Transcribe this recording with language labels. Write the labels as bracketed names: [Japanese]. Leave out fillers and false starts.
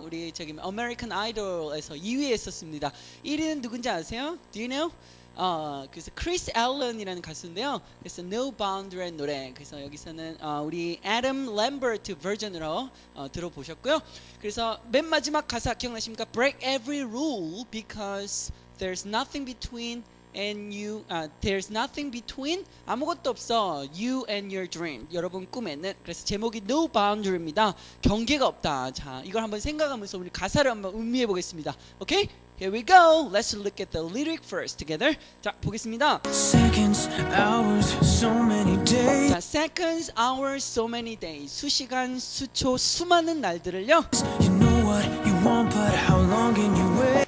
[Korean] 우리 저기 American Idol에서 2위에 있었습니다. 1위는 누군지 아세요? [English] Do you know? [Korean] 그래서 Chris Allen이라는 가수인데요. 그래서 No Boundary 노래. 그래서 여기서는 우리 Adam Lambert 버전으로 들어보셨고요. 그래서 맨 마지막 가사 기억나십니까? [English] Break every rule because there's nothing between and you. There's nothing between [Korean] 아무것도 없어 [English] you and your dream. [Korean] 여러분 꿈에는. 그래서 제목이 No Boundary입니다. 경계가 없다. 자, 이걸 한번 생각하면서 우리 가사를 한번 음미해 보겠습니다. [English] 오케이? Here we go. Let's look at the lyric first together. [Korean] 자, 보겠습니다. [English] Seconds, hours, so many days. 자, seconds, hours, so many days. [Korean] 수시간, 수초, 수많은 날들을요. [English] You know what you want, but how long can you wait?